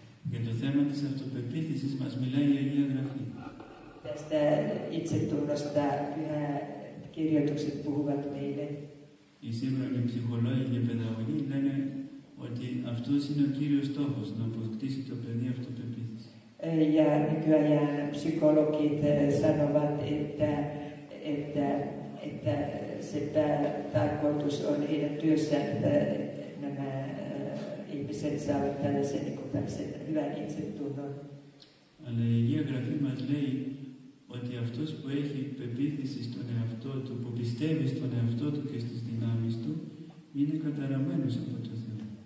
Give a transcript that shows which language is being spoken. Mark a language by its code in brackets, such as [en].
[el] Για το θέμα της αυτοπεποίθησης μας μιλάει η Αγία Γραφή. [fi] Tästä itsetunnosta pyhä kirjoitukset puhuvat meille. [el] Οι σύγχρονοι ψυχολόγοι και παιδαγωγοί λένε ότι αυτό είναι ο κύριος στόχος, να αποκτήσει το παιδί αυτοπεποίθηση. [fi] Για νικιάν ψυχολόγοι sanovat, että se tarkoitus on heidän työssä, että nämä ihmiset saavat tällaisen hyvän itsetunnon. [el] Αλλά η Αγία Γραφή μας λέει ότι αυτός που έχει πεποίθηση στον εαυτό του, που πιστεύει στον εαυτό του και στις δυνάμεις του, είναι καταραμένος από το Θεό.